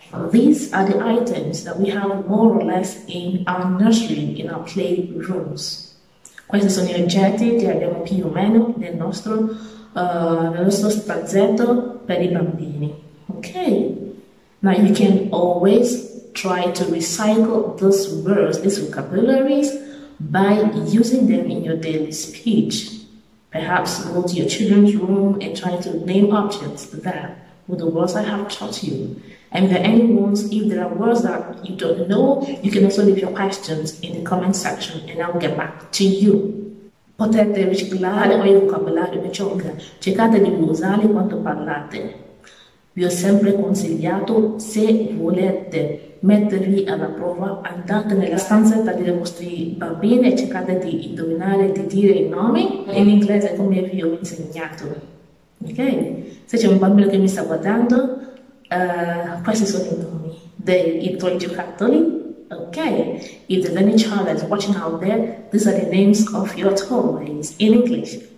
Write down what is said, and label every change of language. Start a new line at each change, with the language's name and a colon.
English: These are the items that we have more or less in our nursery, in our playrooms.
Italian: Questi sono gli oggetti che abbiamo più o meno nel nostro spazzetto per i bambini.
English: Ok, now you can always try to recycle these words, these vocabularies. By using them in your daily speech. Perhaps go to your children's room and try to name objects there with the words I have taught you. And if there are words that you don't know, you can also leave your questions in the comment section and I'll get back to you.
Italian: Potete riciclare ogni vocabolario che ho, cercate di usarli quando parlate. Vi ho sempre consigliato, se volete, mettervi alla prova, andate nella stanzetta dei vostri bambini e cercate di indovinare, di dire i nomi in inglese come vi ho insegnato. Ok? Se c'è un bambino che mi sta guardando, questi sono i nomi dei tuoi giocattoli. Ok?
English: If there's any child that's watching out there, these are the names of your toys in English.